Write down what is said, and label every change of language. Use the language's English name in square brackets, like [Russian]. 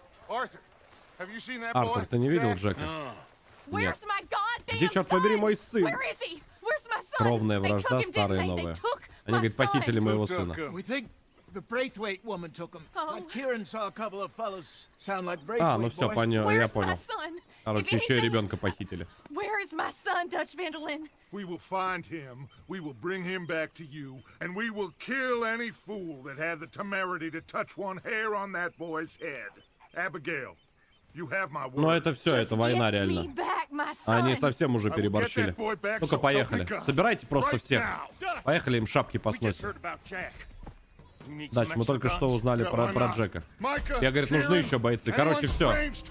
[English] Arthur, have you seen that Arthur, boy? [Russian] Arthur, ты не видел Джека? [English] No. Where's my goddamn son? [Russian] Где, черт побери, мой сын? [English] Where is he? Where's my son? [Russian] Кровная вражда, старая новая. Они говорят, похитили моего сына. [English] The Braithwaite woman took him. Oh. But Kieran saw a couple of fellows sound like Braithwaite. [Russian] А, ну все, понял, я понял. Короче, еще и ребенка похитили. [English] Where is my son, Dutch Vandalin? We will find him. We will bring him back to you, and we will kill any fool that had the temerity to touch one hair on that boy's head. Abigail, you have my word. [Russian] Но это все, это война реально. Они совсем уже переборщили. Ну-ка, поехали. Собирайте просто всех. Поехали, им шапки посносим. Дач, мы только что узнали про Джека. Я, говорит, нужны еще бойцы. Короче, все.